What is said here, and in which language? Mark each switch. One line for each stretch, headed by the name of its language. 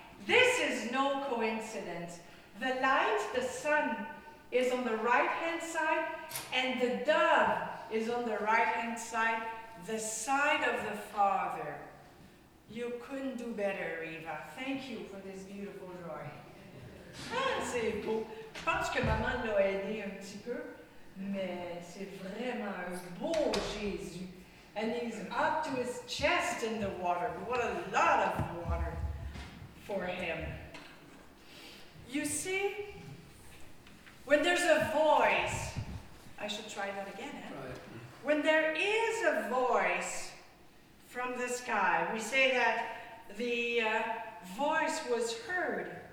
English: This is no coincidence. The light, the sun, is on the right-hand side, and the dove is on the right-hand side, the side of the father. You couldn't do better, Eva. Thank you for this beautiful drawing.
French: Ah, c'est beau. Je pense que maman l'a aidé un petit peu, mais c'est vraiment un beau Jésus.
English: And he's up to his chest in the water. What a lot of water for him. You see, when there's a voice, I should try that again, eh? Right. When there is a voice from the sky, we say that the voice was heard.